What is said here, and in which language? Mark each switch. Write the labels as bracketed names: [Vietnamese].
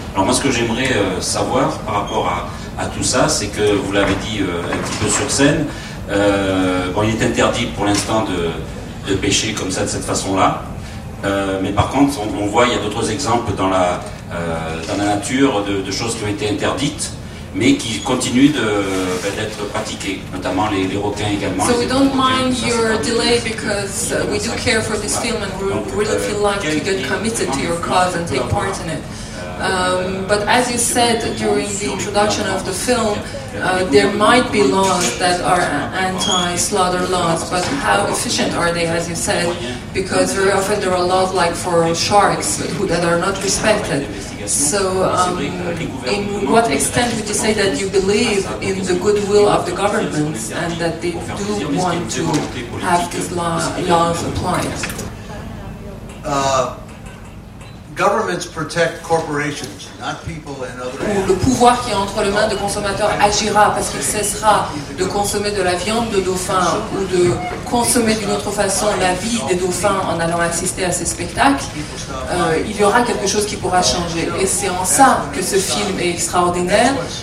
[French] Alors moi, ce que j'aimerais savoir par rapport à tout ça, c'est que vous l'avez dit un petit peu sur scène, bon, il est interdit pour l'instant de pêcher comme ça, de cette façon-là, mais par contre, on voit, il y a d'autres exemples dans la nature de choses qui ont été interdites, mais qui continuent d'être pratiquées, notamment les requins également. [English] So we don't mind your delay because we do care for this film and we really feel like to get committed to your cause and take part in it. But as you said during the introduction of the film, there might be laws that are anti-slaughter laws, but how efficient are they, as you said? Because very often there are laws like for sharks that are not respected. So in what extent would you say that you believe in the goodwill of the government and that they do want to have these laws applied? Governments protect corporations, not people and other animals. [French] Le pouvoir qui est entre les mains de consommateurs agira parce qu'il cessera de consommer de la viande de dauphin ou de consommer d'une autre façon la vie des dauphins en allant assister à ces spectacles. Il y aura quelque chose qui pourra changer. Et c'est en ça que ce film est extraordinaire.